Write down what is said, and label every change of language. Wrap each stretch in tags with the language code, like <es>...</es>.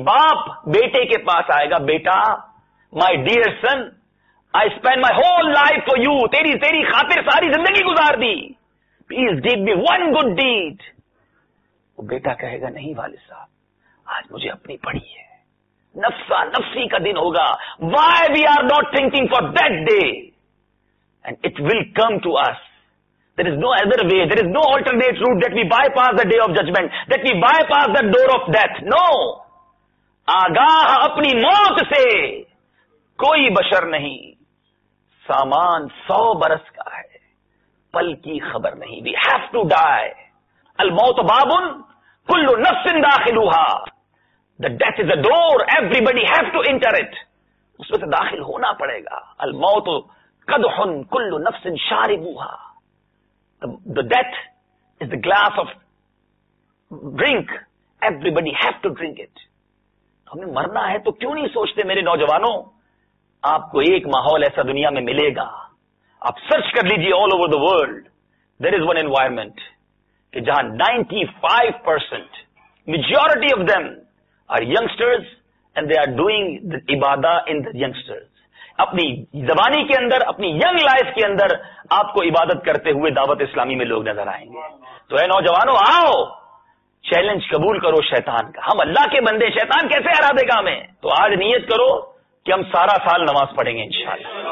<ur>باپ بیٹے کے پاس آئے گا، بیٹا</ur> <en>my dear son, I spend my whole life for you,</en> <ur>تیری خاطر ساری زندگی گزار دی،</ur> <en>Please give me one good deed.</en> <ur>وہ بیٹا کہے گا نہیں والد صاحب، آج مجھے اپنی پڑی ہے. نفسا نفسی کا دن ہوگا.</ur> <en>Why we are not thinking for that day? And it will come to us. There is no other way. There is no alternate route that we bypass the day of judgment. That we bypass the door of death. No.</en> <ur>آگاہ اپنی موت سے کوئی بشر نہیں. سامان 100 برس کا ہے، پل کی خبر نہیں.</ur> <en>We have to die.</en> <ar>الموت بابن کل نفس داخلوہا.</ar> <en>The death is a door. Everybody have to enter it.</en> <ur>اس میں سے داخل ہونا پڑے گا.</ur> <ar>الموت قدح کل نفس شاربوہا.</ar> <en>The death is the glass of drink. Everybody have to drink it.</en> <ur>ہمیں مرنا ہے تو کیوں نہیں سوچتے میرے نوجوانوں؟ آپ کو ایک ماحول ایسا دنیا میں ملے گا، آپ سرچ کر لیجئے</ur> <en>all over the world. There is one environment</en> <ur>کہ جہاں</ur> <en>95% majority of them are youngsters and they are doing the عبادہ in the youngsters.</en> <ur>اپنی زبانی کے اندر، اپنی ینگ لائف کے اندر آپ کو عبادت کرتے ہوئے دعوت اسلامی میں لوگ نظر آئیں گے. تو اے نوجوانوں آؤ، چیلنج قبول کرو شیطان کا, ہم اللہ کے بندے شیطان کیسے ہرا دے گا ہمیں. تو آج نیت کرو کہ ہم سارا سال نماز پڑھیں گے انشاءاللہ.</ur>